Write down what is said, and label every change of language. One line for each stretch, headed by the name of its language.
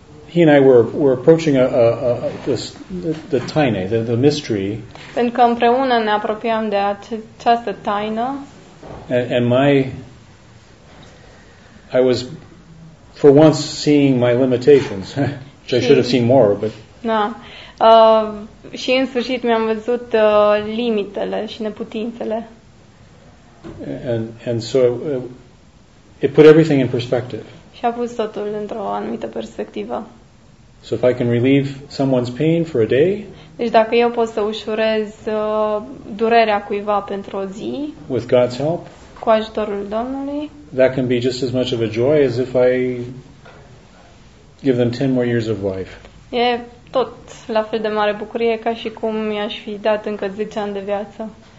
English: he and I were approaching the taine, the mystery.
Romanian: Pentru că împreună ne apropiam de această taină.
English: And my, I was, for once, seeing my limitations, which I should have seen more, but.
Romanian: Na, și în sfârșit mi-am văzut limitele și neputințele.
English: And so it put everything in perspective.
Romanian: Și a pus totul într-o anumită perspectivă.
English: So if I can relieve someone's pain for a day,
Romanian: deci dacă eu pot să ușurez durerea cuiva pentru o zi,
English: with God's help,
Romanian: cu ajutorul Domnului,
English: that can be just as much of a joy as if I give them 10 more years of life.
Romanian: E tot la fel de mare bucurie ca și cum i-aș fi dat încă 10 ani de viață.